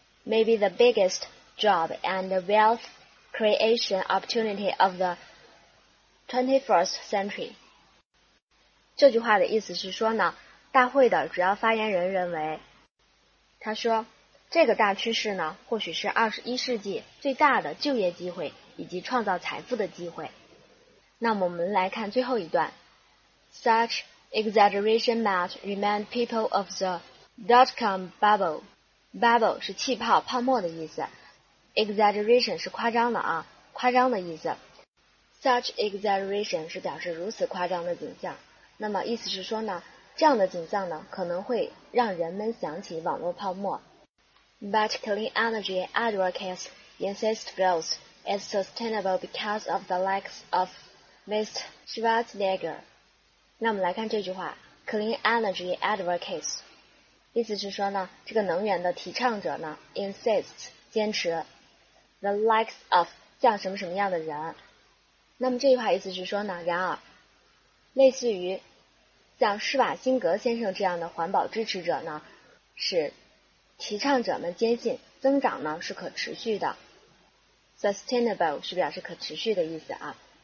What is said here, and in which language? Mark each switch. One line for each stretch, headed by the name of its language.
English: Maybe the biggest job and wealth creation opportunity of the 21st century.
Chinese: 这句话的意思是说呢，大会的主要发言人认为，他说，这个大趋势呢，或许是21世纪最大的就业机会以及创造财富的机会。那么我们来看最后一段。
English: Such exaggeration might remind people of the dot-com bubble.
Chinese: Bubble 是气泡、泡沫的意思 ，exaggeration 是夸张的啊，夸张的意思。 Such exaggeration 是表示如此夸张的景象。那么意思是说呢，这样的景象呢可能会让人们想起网络泡沫。
English: But clean energy advocates insist growth is sustainable because of the likes of Mr.
Chinese: Schwarzenegger。 那我们来看这句话 ，
English: clean energy advocates。
Chinese: 意思是说呢，这个能源的提倡者呢 ，insists 坚持 ，the likes of 像什么什么样的人，那么这句话意思是说呢，然而，类似于像施瓦辛格先生这样的环保支持者呢，是提倡者们坚信增长呢是可持续的 ，sustainable 是表示可持续的意思啊。